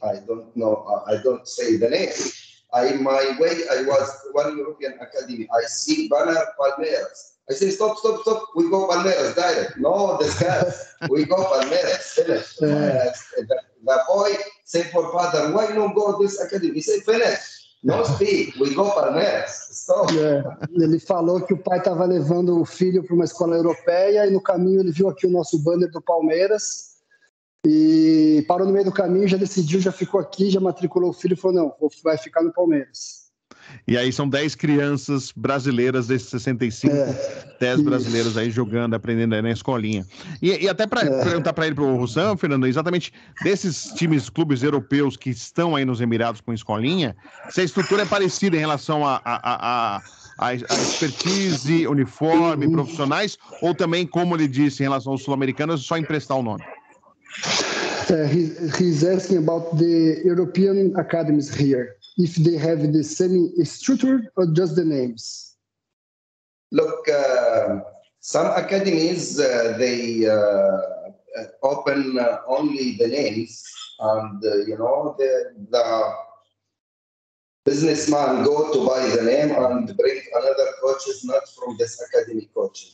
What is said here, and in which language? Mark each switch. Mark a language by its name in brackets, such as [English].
[English] I don't know. I don't say the name. I was one European academy. I see banner Palmeiras. I say stop. We go Palmeiras direct. No, this guy. We go Palmeiras. Finish. The boy say for father, why don't go to this academy? He say finish. No speak. We go Palmeiras. Stop. Yeah. [Portuguese] Ele falou que o pai estava levando o filho para uma escola europeia e no caminho ele viu aqui o nosso banner do Palmeiras. E parou no meio do caminho, já decidiu, já ficou aqui, já matriculou o filho e falou, não, vai ficar no Palmeiras. E aí são 10 crianças brasileiras desses 65, 10 brasileiras aí jogando, aprendendo aí na escolinha. E até para perguntar para ele, para o Rosan, Fernando, exatamente desses times, clubes europeus que estão aí nos Emirados com escolinha, se a estrutura é parecida em relação a expertise, uniforme, profissionais, ou também, como ele disse, em relação aos sul-americanos, é só emprestar o nome? [English] He's asking about the European academies here, if they have the same structure or just the names. Look, some academies, they open only the names, and you know, the businessman go to buy the name and bring another coaches, not from this academy coaches.